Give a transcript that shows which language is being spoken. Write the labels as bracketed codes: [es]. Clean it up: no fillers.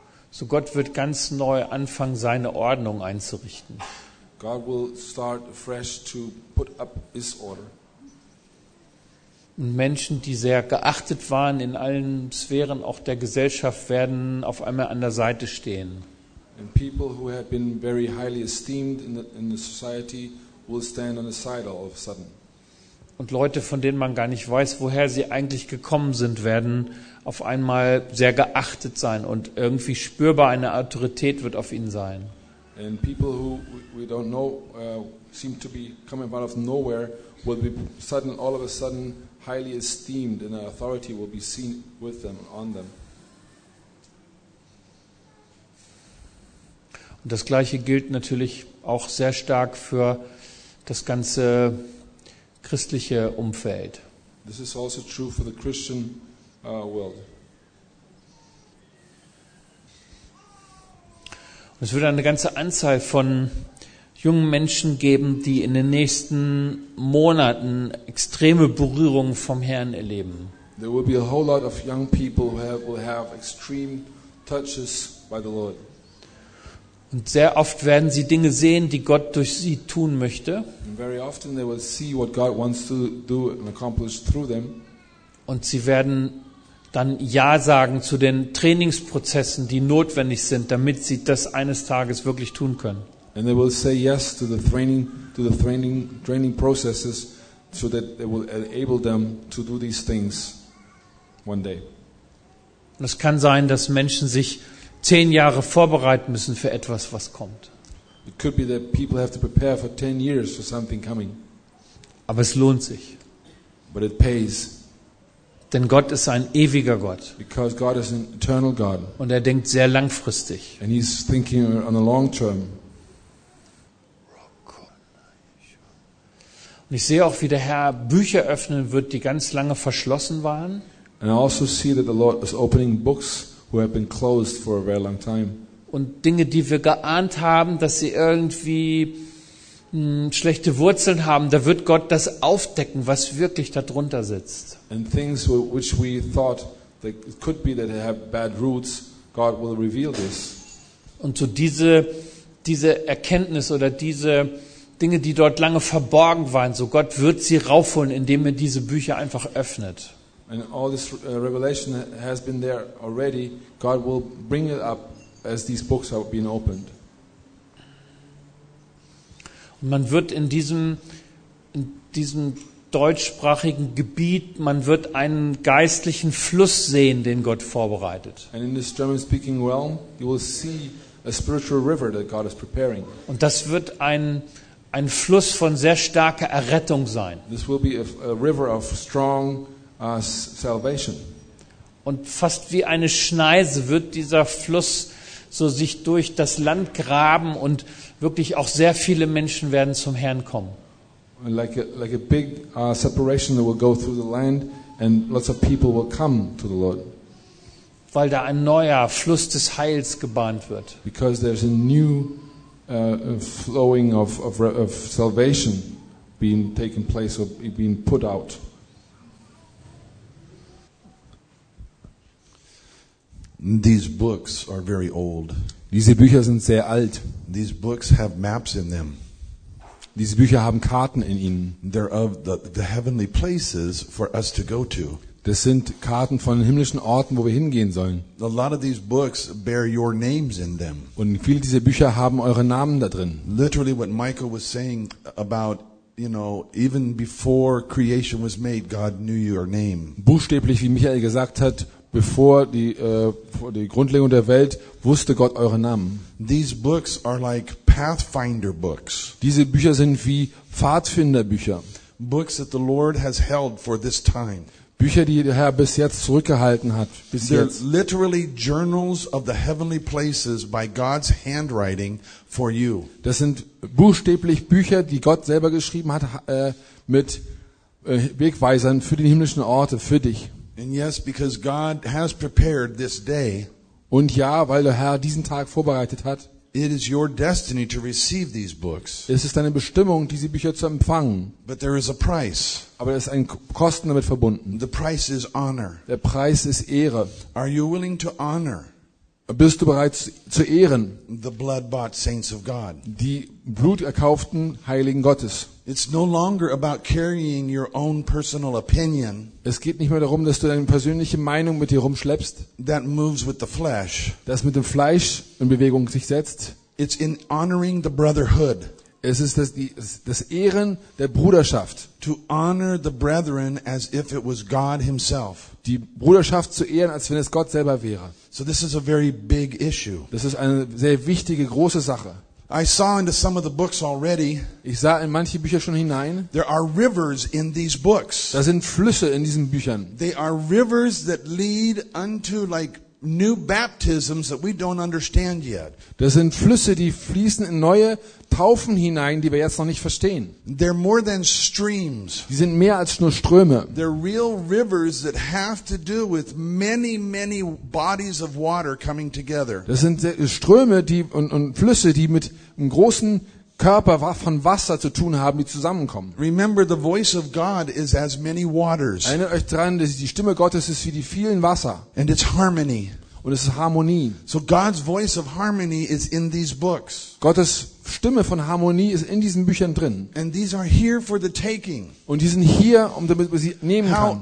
[de] So Gott wird ganz neu anfangen, seine Ordnung einzurichten. [en] God will start fresh to put up his order. [de] Menschen, die sehr geachtet waren in allen Sphären auch der Gesellschaft, werden auf einmal an der Seite stehen. [en] And people who have been very highly esteemed in the society will stand on the side all of a sudden. [de] Und Leute, von denen man gar nicht weiß, woher sie eigentlich gekommen sind, werden auf einmal sehr geachtet sein und irgendwie spürbar eine Autorität wird auf ihnen sein. [en] And people who we don't know seem to be coming out of nowhere will be suddenly, all of a sudden, highly esteemed, and authority will be seen with them, on them. [de] Und das Gleiche gilt natürlich auch sehr stark für das ganze christliche Umfeld. [en] This is also true for the Christian world. [de] Es wird eine ganze Anzahl von jungen Menschen geben, die in den nächsten Monaten extreme Berührungen vom Herrn erleben. [en] There will be a whole lot of young people who will have extreme touches by the Lord. [de] Und sehr oft werden sie Dinge sehen, die Gott durch sie tun möchte. [en] And very often they will see what God wants to do and accomplish through them. [de] Und sie werden dann Ja sagen zu den Trainingsprozessen, die notwendig sind, damit sie das eines Tages wirklich tun können. [en] And they will say yes to the training processes, so that they will enable them to do these things one day. [de] Es kann sein, dass Menschen sich 10 Jahre vorbereiten müssen für etwas, was kommt. [en] It could be that people have to prepare for 10 years for something coming. [de] Aber es lohnt sich. [en] But it pays. [de] Denn Gott ist ein ewiger Gott. [en] Because God is an eternal God. [de] Und er denkt sehr langfristig. [en] And he's thinking on a long term. [de] Und ich sehe auch, wie der Herr Bücher öffnen wird, die ganz lange verschlossen waren. [en] And I also see that the Lord is opening books who have been closed for a very long time. [de] Und Dinge, die wir geahnt haben, dass sie irgendwie schlechte Wurzeln haben, da wird Gott das aufdecken, was wirklich darunter sitzt. [en] And things which we thought that it could be that they have bad roots, God will reveal this. [de] Und so diese Erkenntnis oder diese Dinge, die dort lange verborgen waren, so Gott wird sie raufholen, indem er diese Bücher einfach öffnet. [en] And all this revelation has been there already. God will bring it up as these books are being opened. [de] Und man wird in diesem deutschsprachigen Gebiet, man wird einen geistlichen Fluss sehen, den Gott vorbereitet. [en] And in this German-speaking realm, you will see a spiritual river that God is preparing. [de] Und das wird ein Fluss von sehr starker Errettung sein. [en] This will be a river of strong salvation. [de] Und fast wie eine Schneise wird dieser Fluss so sich durch das Land graben und wirklich auch sehr viele Menschen werden zum Herrn kommen. [en] Like a big separation that will go through the land and lots of people will come to the Lord. [de] Weil da ein neuer Fluss des Heils gebahnt wird. [en] Because there's a new flowing of salvation being taken place or being put out. These books are very old. [de] Diese Bücher sind sehr alt. [en] These books have maps in them. [de] Diese Bücher haben Karten in ihnen. [en] They're of the heavenly places for us to go to. [de] Das sind Karten von den himmlischen Orten, wo wir hingehen sollen. [en] A lot of these books bear your names in them. [de] Und viele dieser Bücher haben eure Namen da drin. [en] Literally what Michael was saying about, you know, even before creation was made, God knew your name. [de] Buchstäblich, wie Michael gesagt hat, bevor die vor die Grundlegung der Welt wusste Gott euren Namen. [en] These books are like pathfinder books. [de] Diese Bücher sind wie Pfadfinderbücher. [en] Books that the Lord has held for this time. [de] Bücher, die der Herr bis jetzt zurückgehalten hat. Bis [en] They're [de] jetzt. [en] Literally journals of the heavenly places by God's handwriting for you. [de] Das sind buchstäblich Bücher, die Gott selber geschrieben hat mit Wegweisern für die himmlischen Orte für dich. [en] And yes, because God has prepared this day. [de] Und ja, weil der Herr diesen Tag vorbereitet hat. [en] It is your destiny to receive these books. [de] Es ist deine Bestimmung, diese Bücher zu empfangen. [en] But there is a price. [de] Aber es ist ein Kosten damit verbunden. [en] The price is honor. [de] Der Preis ist Ehre. [en] Are you willing to honor? [de] Bist du bereit zu ehren? [en] The blood-bought saints of God. [de] Die bluterkauften Heiligen Gottes. [en] It's no longer about carrying your own personal opinion. [de] Es geht nicht mehr darum, dass du deine persönliche Meinung mit dir rumschleppst. [en] That moves with the flesh. [de] Das mit dem Fleisch in Bewegung sich setzt. [en] It's in honoring the brotherhood. [de] Es ist das Ehren der Bruderschaft. [en] To honor the brethren as if it was God himself. [de] Die Bruderschaft zu ehren, als wenn es Gott selber wäre. [en] So this is a very big issue. [de] Das ist eine sehr wichtige große Sache. [en] I saw into some of the books already. [de] Ich sah in manche Bücher schon hinein. [en] There are rivers in these books. [de] Da sind Flüsse in diesen Büchern. [en] They are rivers that lead unto like new baptisms that we don't understand yet. [de] Das sind Flüsse, die fließen in neue Taufen hinein, die wir jetzt noch nicht verstehen. [en] They're more than streams. [de] Die sind mehr als nur Ströme. [en] They're real rivers that have to do with many, many bodies of water coming together. [de] Das sind Ströme, die und Flüsse, die mit einem großen Körper von Wasser zu tun haben, die zusammenkommen. [en] Remember, the voice of God is as many waters. [de] Erinnert euch dran, dass die Stimme Gottes ist wie die vielen Wasser. [en] And it's harmony. [de] Und es ist Harmonie. [en] So God's voice of harmony is in these books. [de] Gottes Stimme von Harmonie ist in diesen Büchern drin. [en] And these are here for the taking. [de] Und die sind hier, um damit man sie nehmen kann.